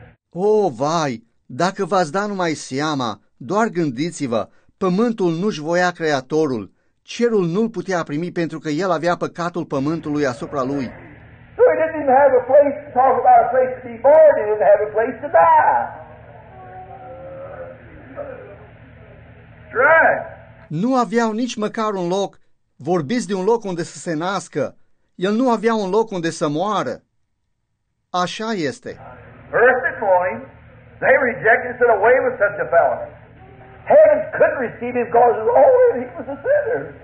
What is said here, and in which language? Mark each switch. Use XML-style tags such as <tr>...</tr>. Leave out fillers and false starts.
<ro>Oh, vai, dacă v-ați da numai seama, doar gândiți-vă, pământul nu-și voia creatorul, cerul nu-l putea primi pentru că el avea păcatul pământului asupra lui.</ro> <en>So he didn't even have a place to talk about a place to be born, he didn't have a place to die. Right.</en> <ro>Nu aveau nici măcar un loc, vorbiți de un loc unde să se nască, el nu avea un loc unde să moară. Așa este.</ro> <en>Verse 20, they rejected and said away with such a fellow. Heaven couldn't receive him because he was a sinner.</en>